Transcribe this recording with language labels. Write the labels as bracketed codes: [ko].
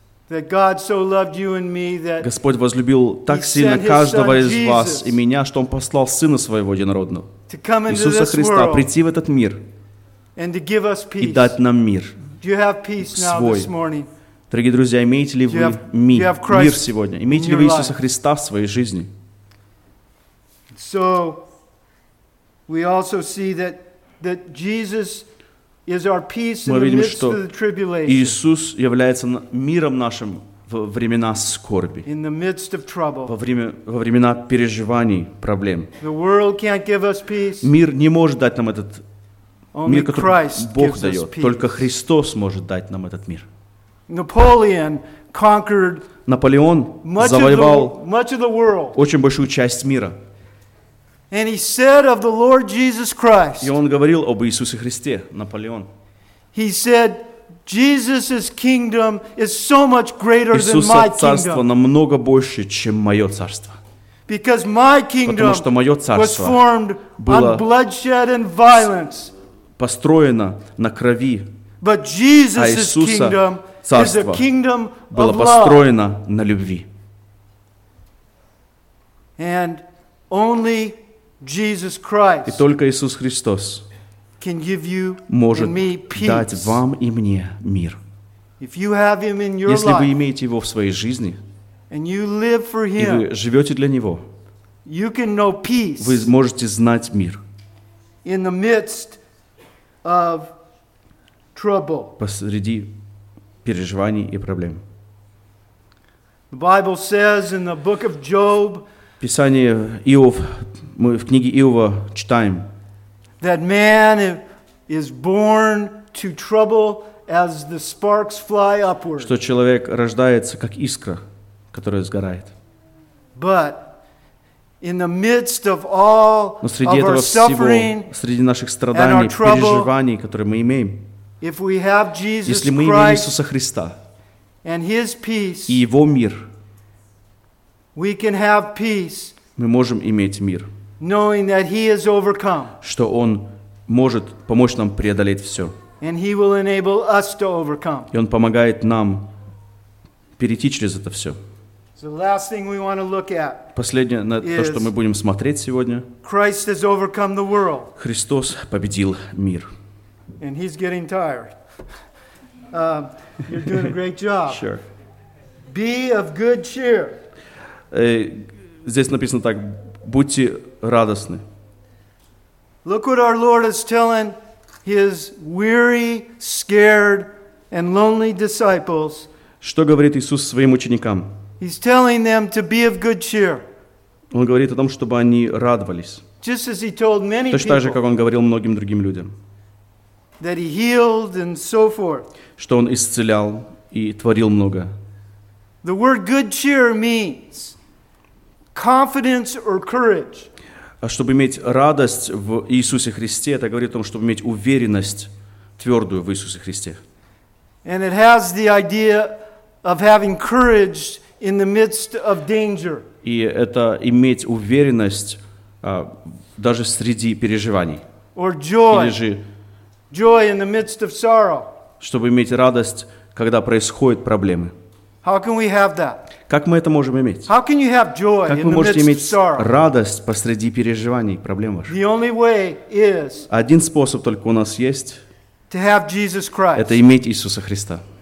[en] That God so loved you and me that [ru] Господь возлюбил так сильно каждого из вас и меня, что Он послал Сына Своего Единородного, Иисуса Христа, прийти в этот мир и дать нам мир свой. Дорогие друзья, имеете ли вы мир сегодня? Имеете ли вы Иисуса Христа в своей жизни? [en] So we also see that Jesus is our peace in the midst of the tribulation. [ru] Иисус является миром нашим в времена скорби. [en] In the midst of trouble. [ru] Во времена переживаний, проблем. [en] The world can't give us peace. [ru] Мир не может дать нам этот мир, который Бог дает. Только Христос может дать нам этот мир. [en] Napoleon conquered [ru] завоевал очень большую часть мира. [en] And he said of the Lord Jesus Christ. [ru] И он говорил об Иисусе Христе, Наполеон. [en] He said, Jesus's kingdom is so much greater than my kingdom. [ru] Иисусово царство намного больше, чем мое царство. [en] Because my kingdom was formed on bloodshed and violence. [ru] Построено на крови. [en] But Jesus's kingdom is a kingdom of love. [ru] Было построено на любви. [en] And only Jesus Christ. [ru] И только Иисус Христос [en] can give you [ru] может [en] and me peace. [ru] Дать вам и мне мир. [en] If you have him in your [ru] если вы имеете его в своей жизни, [en] and you live for him, [ru] и вы живете для него, [en] you can know peace [ru] вы можете знать мир [en] in the midst of trouble. [ru] Посреди переживаний и проблем. [en] The Bible says in the book of Job, [ru] Писание Иов, мы в книге Иова читаем, [en] that man is born to trouble as the sparks fly upward. [ru] Что человек рождается как искра, которая сгорает. [en] But in the midst of all [ru] Но среди [en] of [ru] этого [en] our suffering, [ru] всего, среди наших страданий, [en] and our trouble, [ru] переживаний, которые мы имеем, [en] if we have Jesus [ru] если мы имеем Иисуса Христа [en] and his peace, [ru] и Его мир, [en] we can have peace, [ru] мы можем иметь мир, [en] knowing that he has overcome, [ru] что Он может помочь нам преодолеть все. [en] And he will enable us to overcome. [ru] И Он помогает нам перейти через это все. [en] The last thing we want to look at [ru] последнее, на то, что мы будем смотреть сегодня, [en] Christ has overcome the world. [ru] Христос победил мир. [en] And he's getting tired. You're doing a great job. Sure. Be of good cheer. [ru] Здесь написано так, будьте радостны. [en] Look what our Lord is telling his weary, scared, and lonely disciples. [ru] Что говорит Иисус своим ученикам? [en] He's telling them to be of good cheer. [ru] Он говорит о том, чтобы они радовались. [en] Just as he told many people. [ru] Точно так же, как он говорил многим другим людям. [en] That he healed and so forth. [ru] Что он исцелял и творил много. [en] The word good cheer means confidence or courage. [ru] А чтобы иметь радость в Иисусе Христе, это говорит о том, чтобы иметь уверенность твердую в Иисусе Христе. [en] And it has the idea of having courage in the midst of danger. [ru] И это иметь уверенность даже среди переживаний. [en] Or joy. [ru] Или же [en] joy in the midst of sorrow. [ru] Чтобы иметь радость, когда происходят проблемы. [en] How can we have that? [ru] Как мы это можем иметь? [en] How can you have joy [ru] как [en] in [ru] вы можете [en] the midst [ru] иметь [en] of sorrow? [ru] Радость посреди переживаний, проблем ваших? [en] The only way is [ru] один способ только у нас есть [en] to have Jesus Christ. [ru] Это иметь Иисуса Христа.